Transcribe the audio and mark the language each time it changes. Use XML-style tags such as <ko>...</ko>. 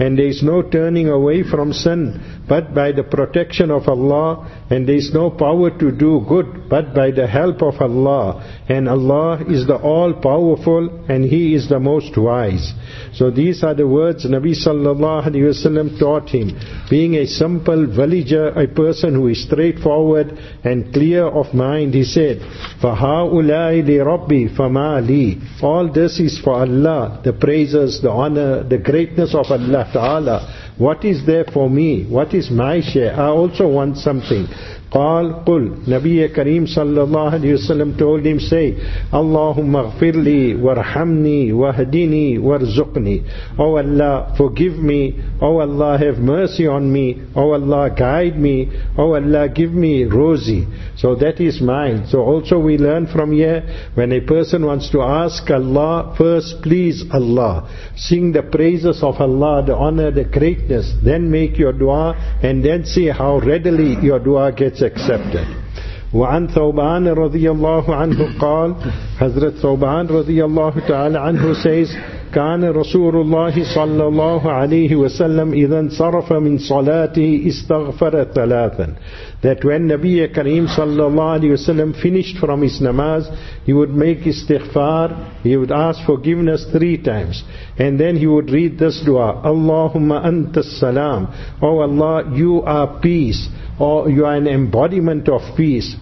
<en>And there is no turning away from sin but by the protection of Allah, and there is no power to do good but by the help of Allah, and Allah is the all-powerful and He is the most wise. So these are the words Nabi sallallahu alayhi wa sallam taught him, being a simple villager, a person who is straightforward and clear of mind.</en> <ar>He said, فَهَاُولَٰي لِرَبِّي فَمَا لِي.</ar> <en>All this is for Allah, the praises, the honor, the greatness of Allah Ta'ala. What is there for me? What is my share? I also want something.</en> <ar>قال قل.</ar> <en>Nabi Kareem sallallahu alayhi wa sallam told him, say,</en> <ar>Allahumma ghafir li warhamni wahdini warzuqni.</ar> <en>O Allah, forgive me. O Allah, have mercy on me. O Allah, guide me. O Allah, give me rosy. So that is mine. So also we learn from here, when a person wants to ask Allah, first please Allah. Sing the praises of Allah, the honor, the greatness. Then make your dua and then see how readily your dua gets accepted.</en> <ar>وعن ثوبان رضي الله عنه قال, Hazrat ثوبان رضي الله تعالى عنه says, كان رسول الله صلى الله عليه وسلم إذا صرف من صلاته استغفر ثلاثا.</ar> <en>That when Nabi Kareem صلى الله عليه وسلم finished from his namaz, he would make istighfar, he would ask forgiveness three times. And then he would read this dua,</en> <ar>اللهم أنت السلام.</ar> <en>O Allah, you are peace. Oh, you are an embodiment of peace.</en>